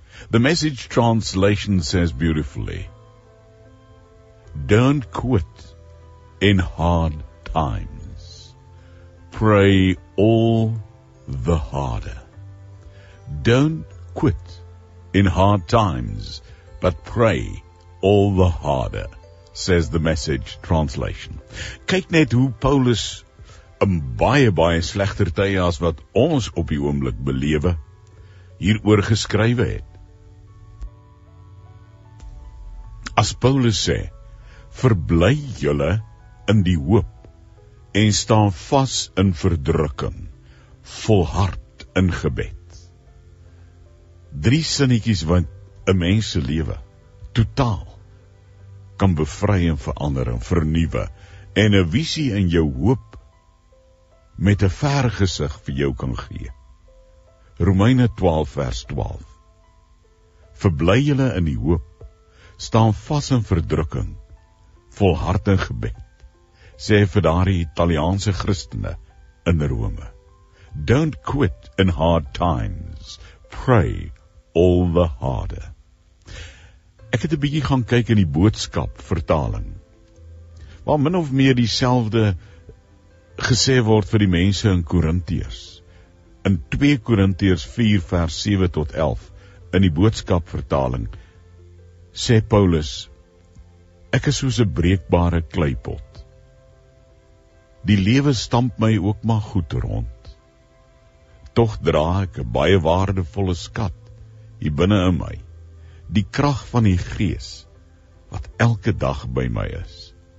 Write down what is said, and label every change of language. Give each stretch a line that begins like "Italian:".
English: The Message translation says beautifully, don't quit in hard times. Pray all the harder. Don't quit in hard times, but pray all the harder, says the Message translation.
Afrikaans: Kyk net hoe Paulus baie slegter tye as wat ons op die oomblik belewe hieroor geskrywe het. As Paulus sê, verbly julle in die hoop en staan vas in verdrukking, volhard in gebed. Drie sinnetjies wat 'n mens se lewe totaal kan bevry en verander en vernuwe en 'n visie in jou hoop met 'n ver gesig vir jou kan gee. Romeine 12 vers 12. Verbly julle in die hoop, staan vas in verdrukking, volhard in gebed, sê vir daardie Italiaanse Christene in Rome.
English: Don't quit in hard times, pray all the harder.
Afrikaans: Ek het 'n bietjie gaan kyk in die boodskap vertaling, waar min of meer dieselfde gesê word vir die mense in Korintiërs. In 2 Korintiërs 4 vers 7 tot 11, in die boodskap vertaling, sê Paulus, ek is soos 'n breekbare kleipot. Die lewe stamp my ook maar goed rond. Toch dra ek 'n baie waardevolle skat hier binne in my, die krag van die gees, wat elke dag by my is.